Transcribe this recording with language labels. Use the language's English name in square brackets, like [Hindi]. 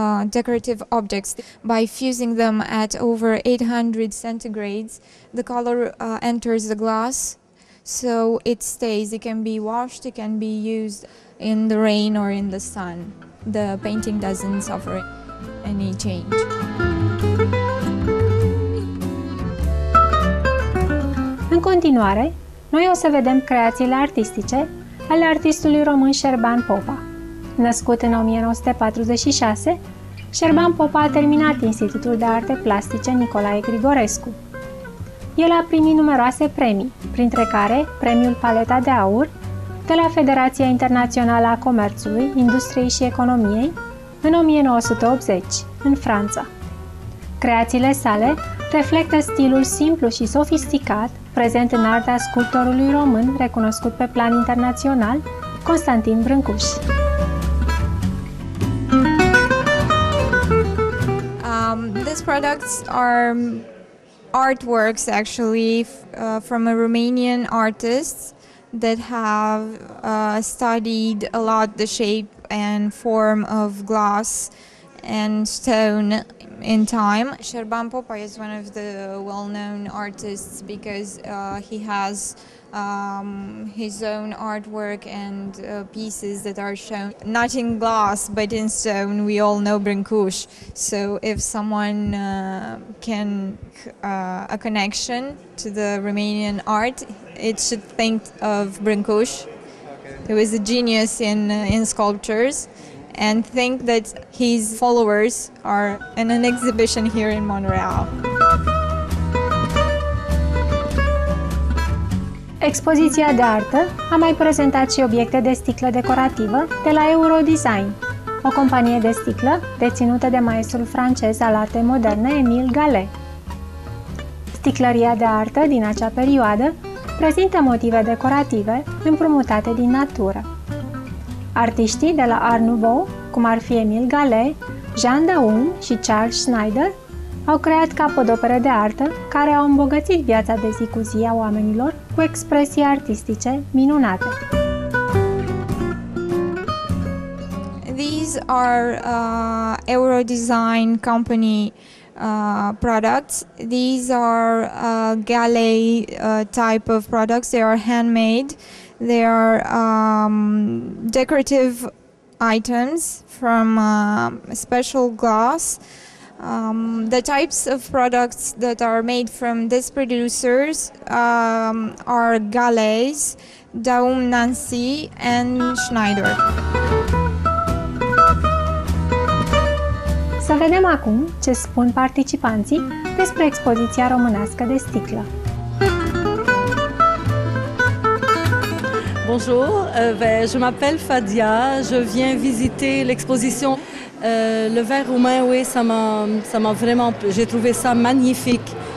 [English] decorative objects by fusing them at over 800 centigrades. The color enters the glass, so it stays. It can be washed, it can be used in the rain or in the sun. The painting doesn't suffer any change. [Romanian] În continuare, noi o să vedem creațiile artistice ale artistului român Șerban Popa. Născut în 1946, Șerban Popa a terminat Institutul de Arte Plastice Nicolae Grigorescu. El a primit numeroase premii, printre care premiul Paleta de Aur de la Federația Internațională a Comerțului, Industriei și Economiei în 1980, în Franța. Creațiile sale reflectă stilul simplu și sofisticat prezent în arta sculptorului român recunoscut pe plan internațional, Constantin Brâncuș. [English] These products are artworks actually from a Romanian artist that have studied a lot the shape and form of glass and stone in time. Șerban Popa is one of the well-known artists because he has his own artwork and pieces that are shown not in glass but in stone. We all know Brâncuș, so if someone can a connection to the Romanian art, it should think of Brâncuș, who is a genius in sculptures, and think that his followers are in an exhibition here in Montreal. [Romanian] Expoziția de artă a mai prezentat și obiecte de sticlă decorativă de la Eurodesign, o companie de sticlă deținută de maestrul francez al artei moderne Emile Gallet. Sticlăria de artă din acea perioadă prezintă motive decorative împrumutate din natură. Artiștii de la Art Nouveau, cum ar fi Emile Gallet, Jean Daum și Charles Schneider, au creat capodopere de artă care au îmbogățit viața de zi cu zi a oamenilor cu expresii artistice minunate. [English] These are Eurodesign company products. These are Gallet type of products. They are handmade. They are decorative items from special glass. The types of products that are made from these producers are Gallet, Daum Nancy and Schneider. [Romanian] Să vedem acum ce spun participanții despre expoziția românească de sticlă. [French] Bonjour, je m'appelle Fadia, je viens visiter l'exposition. Le verre roumain, oui, ça m'a vraiment, j'ai trouvé ça magnifique.